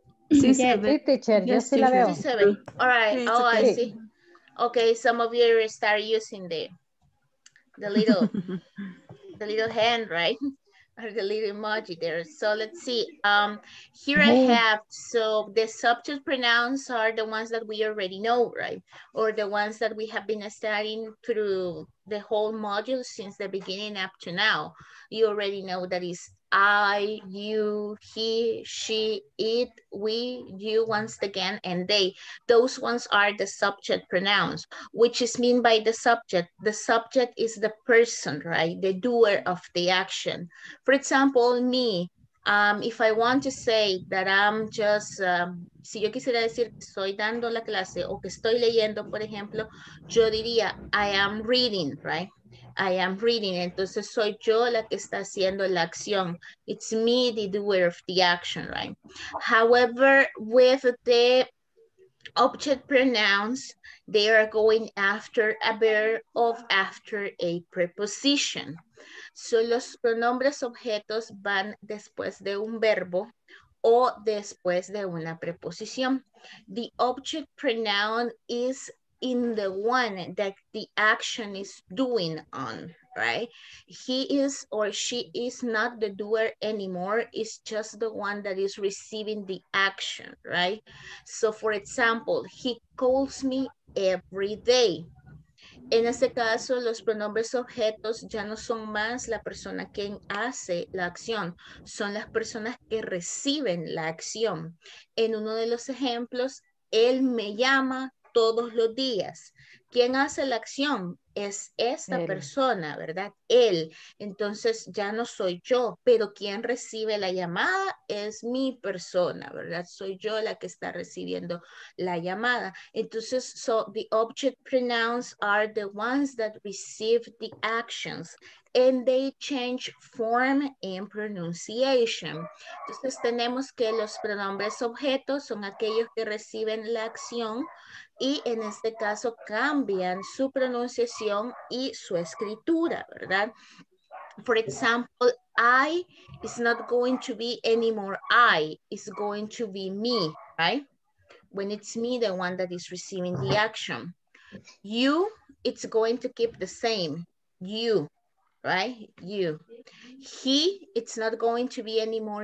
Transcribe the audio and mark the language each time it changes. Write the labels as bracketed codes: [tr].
[es] Sí, sí, sí, teacher, yo sí la veo. Sí se ve. [en] All right, oh, I see. Okay, some of you start using the little the little hand, right? are the little emoji there. So let's see. Here I have, so the subject pronouns are the ones that we already know, right? Or the ones that we have been studying through the whole module since the beginning up to now. You already know that is I, you, he, she, it, we, you, once again, and they. Those ones are the subject pronouns, which is mean by the subject. The subject is the person, right? The doer of the action. For example, me, if I want to say that I'm just, [es] si yo quisiera decir estoy dando la clase o que estoy leyendo, por ejemplo, yo diría [en] I am reading, right? I am reading, [es] entonces soy yo la que está haciendo la acción. [en] It's me, the doer of the action, right? However, with the object pronouns, they are going after a verb of after a preposition. [es] So los pronombres objetos van después de un verbo o después de una preposición. [en] The object pronoun is in the one that the action is doing on, right? He is or she is not the doer anymore, it's just the one that is receiving the action, right? So for example, he calls me every day. [es] En ese caso, los pronombres objetos ya no son más la persona quien hace la acción, son las personas que reciben la acción. En uno de los ejemplos, él me llama todos los días. ¿Quién hace la acción? Es esta persona, ¿verdad? Él. Entonces ya no soy yo, pero quien recibe la llamada es mi persona, ¿verdad? Soy yo la que está recibiendo la llamada. [en] Entonces, so the object pronouns are the ones that receive the actions and they change form and pronunciation. [es] Entonces tenemos que los pronombres objetos son aquellos que reciben la acción y en este caso cambian su pronunciación y su escritura, ¿verdad? [en] For example, I is not going to be anymore I, it's going to be me, right? When it's me, the one that is receiving the action. You, it's going to keep the same, you. Right? You. He, it's not going to be anymore.